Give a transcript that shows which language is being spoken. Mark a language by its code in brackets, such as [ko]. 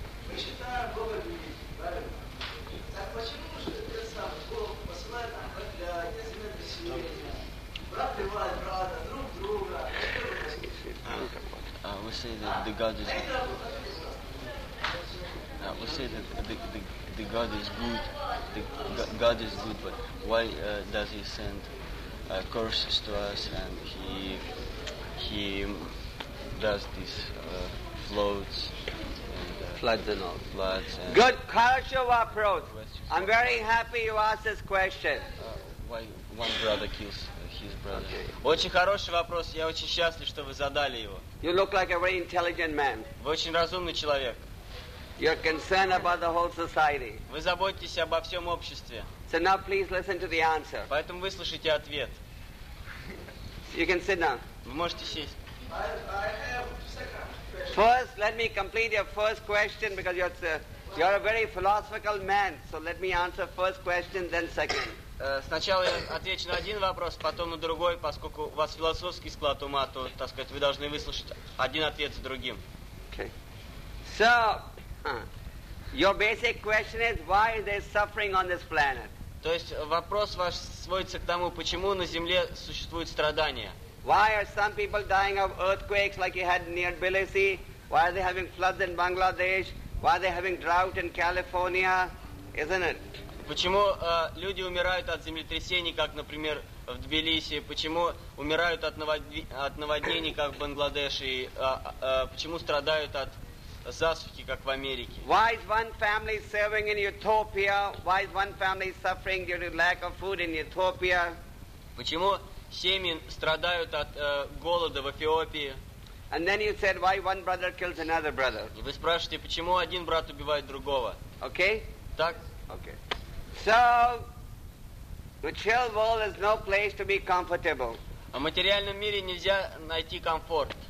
[ru] Мы считаем Бога великим, правильно? Так почему же этот самый Бог посылает нам для землетрясения? Брат привает брата, друг друга. А вы сказали, что Бог великим. [en] We say that the God is good, the God is good, but why does He send curses to us and He does these floods? Floods and all. Floods and good, [ru] хорошо вопрос. [en] I'm very happy you asked this question. Why one brother kills his brother? [ru] Очень хороший вопрос. Я очень счастлив, что вы задали его. [en] You look like a very intelligent man. [ru] Вы очень разумный человек. [en] You're concerned about the whole society. [ru] Вы заботитесь обо всем обществе. [en] So now please listen to the answer. [ru] Поэтому выслушайте ответ. [en] You can sit down. [ru] Вы можете сесть. [en] I have second question. First, let me complete your first question because you're a very philosophical man. So let me answer first question, then second. [ru] Сначала я отвечу на один вопрос, потом на другой, поскольку у вас философский склад ума, то, так сказать, вы должны выслушать один ответ за другим. [en] Okay. So. Your basic question is why is there suffering on this planet? [ru] То есть вопрос ваш сводится к тому, почему на Земле существуют страдания? [en] Why are some people dying of earthquakes like you had near Tbilisi? Why are they having floods in Bangladesh? Why are they having drought in California? Isn't it? [ru] Почему люди умирают от землетрясений, как, например, в Тбилиси? Почему умирают от наводнений, как в Бангладеш? И почему страдают от засухи, как в Америке? [en] Why is one family serving in Ethiopia? Why is one family suffering due to lack of food in Ethiopia? [ru] Почему семьи страдают от голода в Эфиопии? [en] And then you said why one brother kills another brother? [ru] И вы спрашиваете, почему один брат убивает другого? [en] Okay? [ru] Так? [en] Okay. So the material world is no place to be comfortable. [ru] В материальном мире нельзя найти комфорт.